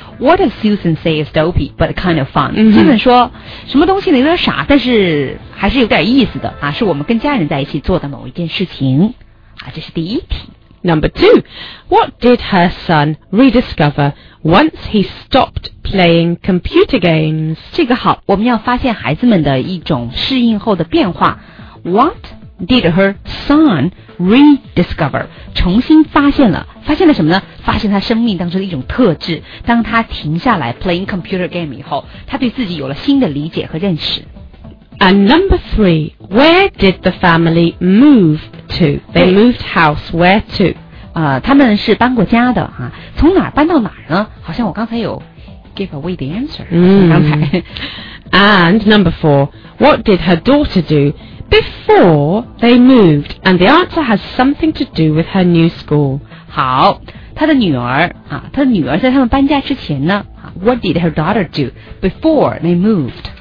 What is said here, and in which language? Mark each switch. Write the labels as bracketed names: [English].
[English] What does Susan say is dopey, but kind of fun? [Chinese] Susan 说什么东西呢有点傻，但是还是有点意思的啊，是我们跟家人在一起做的某一件事情啊。这是第一题。 [English] Number two, what did her son rediscover once he stopped playing computer games? [Chinese] 这个好，我们要发现孩子们的一种适应后的变化。 [English] What did her son rediscover? [Chinese] 重新发现了，发现了什么呢？发现他生命当中的一种特质。当他停下来 [English] playing computer game [Chinese] 以后，他对自己有了新的理解和认识。 [English] And number three, where did the family move to? They moved house, where to? [Chinese] 他们是搬过家的啊，从哪儿搬到哪儿呢？好像我刚才有 [English] give away the answer, [Chinese] 刚才。 [English] And number four, what did her daughter do before they moved? And the answer has something to do with her new school. [Chinese] 好，她的女儿啊，她的女儿在他们搬家之前呢，啊， [English] what did her daughter do before they moved?